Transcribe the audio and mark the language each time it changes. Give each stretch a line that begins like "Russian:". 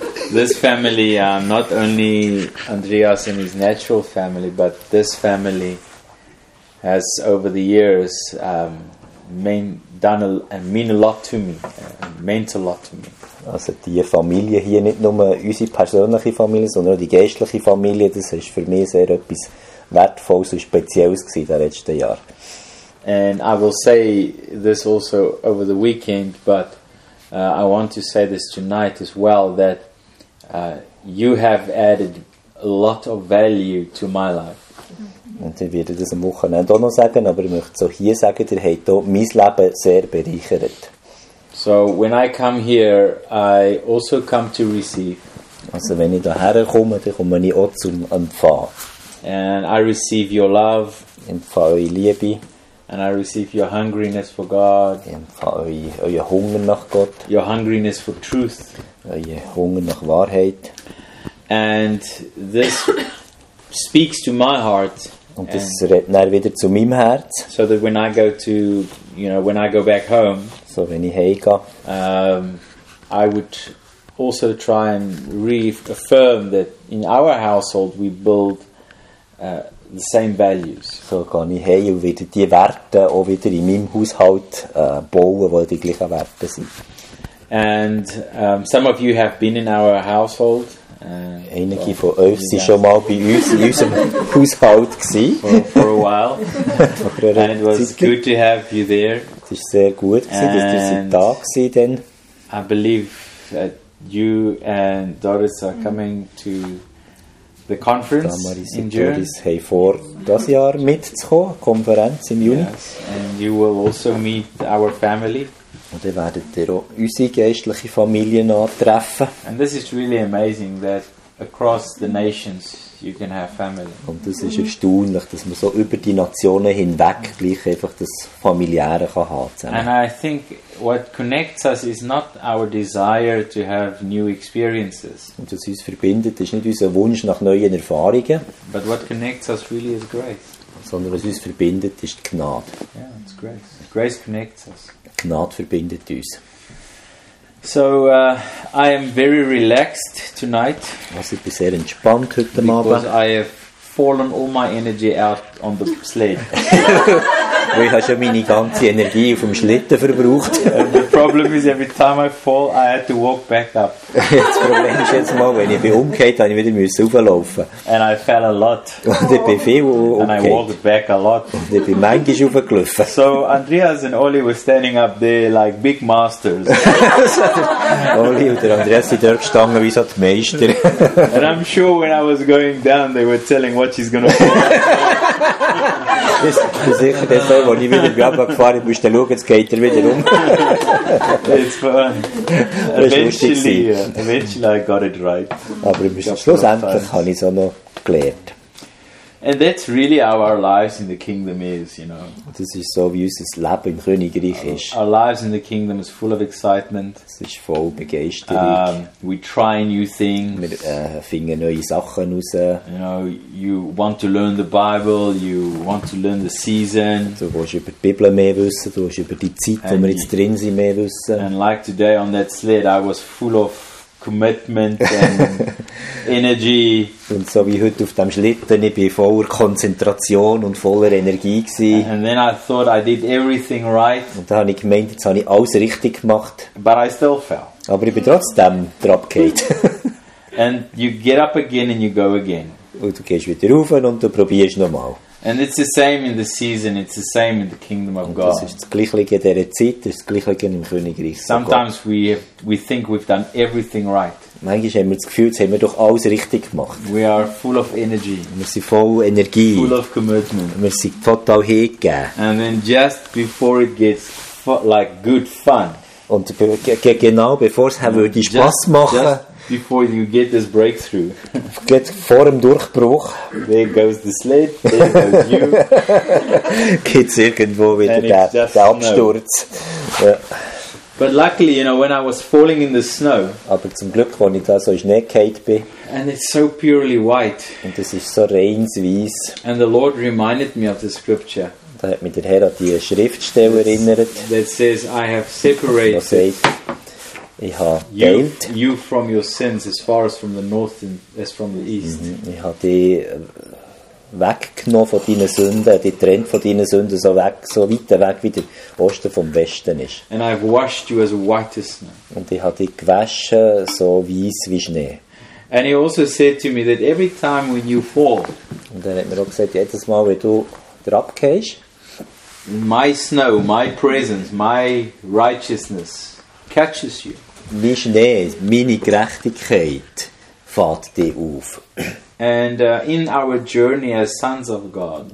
English: This family, not only Andreas and his natural family, but this family has over the years mean a lot to me, meant a lot to me.
German: Also die Familie hier, nicht nur unsere persönliche Familie, sondern auch die geistliche Familie, das ist für mich sehr etwas Wertvolles und Spezielles gewesen in den letzten Jahren.
English: And I will say this also over the weekend, but I want to say this tonight as well, that you have added a lot of value to my life.
German: Und ich werde das am Wochenende auch noch sagen, aber ich möchte so hier sagen, ihr habt auch mein Leben sehr bereichert.
English: So, when I come here, I also come to receive.
German: Also, wenn ich hierher komme, dann komme ich auch zum Empfangen.
English: And I receive your love.
German: Empfange eure Liebe.
English: And I receive your hungriness for God.
German: Empfange euer Hunger nach Gott.
English: Your hungriness for truth.
German: Euer Hunger nach Wahrheit.
English: And this speaks to my heart.
German: Und das redet dann wieder zu meinem Herz.
English: So that when I go to, you know, when I go back home.
German: So wenn ich heimgehe.
English: I would also try and reaffirm that in our household we build the same values.
German: So kann ich heim und wieder die Werte auch wieder in meinem Haushalt bauen, wo die gleichen Werte sind.
English: And some of you have been in our household.
German: Einige von euch sind schon mal bei uns in unserem Haushalt gewesen.
English: For a while. And it was good to have you there.
German: Es ist sehr gut gewesen, dass ihr da wart.
English: I believe that you and Doris are coming to the conference in June.
German: Und Doris haben vor, das Jahr mitzukommen, Konferenz im Juni.
English: Yes. And you will also meet our family.
German: Und dann werdet ihr auch unsere geistliche Familie antreffen.
English: And this is really amazing that across the nations you can have family.
German: Und das ist erstaunlich, dass man so über die Nationen hinweg gleich einfach das Familiäre kann haben.
English: And I think what connects us is not our desire to have new experiences.
German: Und was uns verbindet, ist nicht unser Wunsch nach neuen Erfahrungen.
English: But what connects us really is grace.
German: Sondern was uns verbindet, ist die Gnade.
English: Yeah, it's grace. Grace connects us.
German: Gnade verbindet uns.
English: So, I am very relaxed tonight.
German: Also ich bin sehr entspannt heute Abend.
English: Because I have fallen all my energy out on the sled.
German: Weil ich habe schon meine ganze Energie auf dem Schlitten verbraucht.
English: And the problem is, every time I fall, I had to walk back up.
German: Das Problem ist jetzt mal, wenn ich bin umgekehrt, habe ich wieder müssen hochlaufen.
English: And I fell a lot.
German: Und ich bin viel umgekehrt.
English: And I walked back a lot.
German: Und ich bin manchmal hochgelaufen.
English: So Andreas and Oli were standing up there like big masters.
German: Oli und Andreas sind dort gestanden wie so die Meister.
English: And I'm sure when I was going down, they were telling what she's going to fall.
German: Ich bin sicher, dass ich wieder gerade gefahren bin, schauen, jetzt geht er wieder um.
English: It's fun. Eventually I got it right.
German: Aber schlussendlich habe ich es auch noch gelernt.
English: And that's really how our lives in the kingdom is, you know.
German: Das ist so, wie unser Leben im Königreich ist.
English: Our lives in the kingdom is full of excitement.
German: Es ist voll Begeisterung.
English: We try new things.
German: Wir finden neue Sachen raus.
English: You know, you want to learn the Bible, you want to learn the season.
German: Du willst über die Bibel mehr wissen, du willst über die Zeit, wo wir jetzt drin sind, mehr wissen.
English: And like today on that sled, I was full of commitment and energy.
German: Und so wie heute auf dem Schlitten, ich war voller Konzentration und voller Energie gewesen.
English: And then I thought I did everything right.
German: Und dann habe ich gemeint, jetzt habe ich alles richtig gemacht.
English: But I still fell.
German: Aber ich bin trotzdem drauf gefallen.
English: And you get up again and you go again.
German: Und du gehst wieder rauf und du probierst nochmal.
English: And it's the same in the season, it's the same in the kingdom of God.
German: Das ist das Gleiche in dieser Zeit, das ist das Gleiche im Königreich.
English: Sometimes we think we've done everything right.
German: Manchmal haben wir das Gefühl, jetzt haben wir doch alles richtig gemacht.
English: We are full of energy.
German: Wir sind voll Energie.
English: Full of commitment.
German: Wir sind total hingegeben.
English: And then just before it gets like good fun.
German: Und genau bevor es würde Spass machen.
English: Before you get this breakthrough.
German: Geht vor dem Durchbruch.
English: There goes the sled, there goes you.
German: Geht es irgendwo wieder der Absturz. Ja.
English: But luckily, you know, when I was falling in the snow.
German: Aber zum Glück, wo ich da so Schnee gehabt bin.
English: And it's so purely white.
German: Und das ist so reins weiß.
English: And the Lord reminded me of the scripture.
German: Da hat mich der Herr an die Schriftstelle erinnert.
English: That says, I have separated.
German: Ich habe geteilt.
English: You from your sins as far as from the north as from the east.
German: Ich habe die weggenommen von deinen Sünden, die trennt von deinen Sünden so weg, so weit weg wie der Osten vom Westen ist.
English: And I've washed you as white as snow.
German: Und ich habe dich gewaschen so weiß wie Schnee.
English: And he also said to me that every time when you fall.
German: Und er hat mir auch gesagt, jedes Mal, wenn du drauf gehst,
English: my snow, my presence, my righteousness catches you.
German: Mein Schnee, meine Gerechtigkeit fährt dich auf.
English: And in our journey as sons of God.